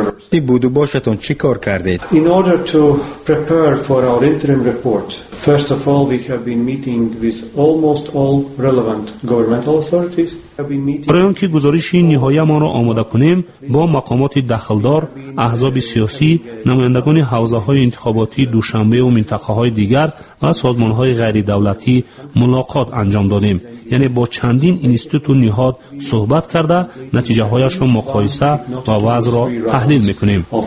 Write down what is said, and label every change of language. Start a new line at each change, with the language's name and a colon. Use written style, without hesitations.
Persian: تی بودو باشتون چی کار کردید؟
English: In order to prepare for our interim report, first of all we have been meeting with almost all relevant governmental authorities.
Persian: برای آنکه گزارش نهایی ما را آماده کنیم، با مقامات دخلدار، احزاب سیاسی، نمایندگان حوزه های انتخاباتی دوشنبه و منطقه های دیگر و سازمان های غیر دولتی ملاقات انجام دادیم. یعنی با چندین اینستیتوت و نهاد صحبت کرده، نتیجه هایش را مقایسه و وضع را تحلیل میکنیم.